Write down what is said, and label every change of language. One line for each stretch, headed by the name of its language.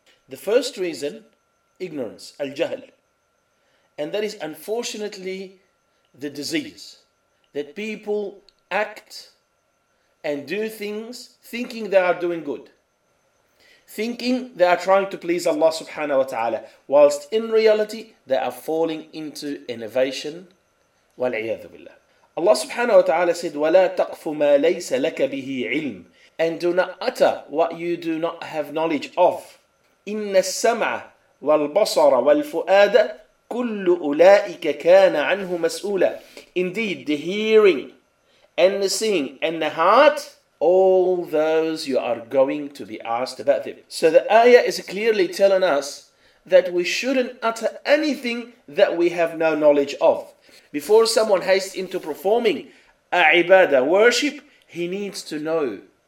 English: The first reason, ignorance, al-jahl. And that is unfortunately the disease, that people act and do things thinking they are doing good, thinking they are trying to please Allah subhanahu wa ta'ala, whilst in reality they are falling into innovation.
Arabic: Wal-iyadhu billah.
English: Allah subhanahu wa ta'ala said,
Arabic: وَلَا تَقْفُ مَا لَيْسَ لَكَ بِهِ عِلْمٍ.
English: And do not utter what you do not have knowledge of.
Arabic: إِنَّ السَّمْعَ وَالْبَصَرَ وَالْفُؤَادَ كُلُّ أُولَٰئِكَ كَانَ عَنْهُ مَسْؤُولًا.
English: Indeed, the hearing and the seeing and the heart, all those you are going to be asked about them. So the ayah is clearly telling us that we shouldn't utter anything that we have no knowledge of. Before someone hastes into performing a ibadah, worship, he needs to know.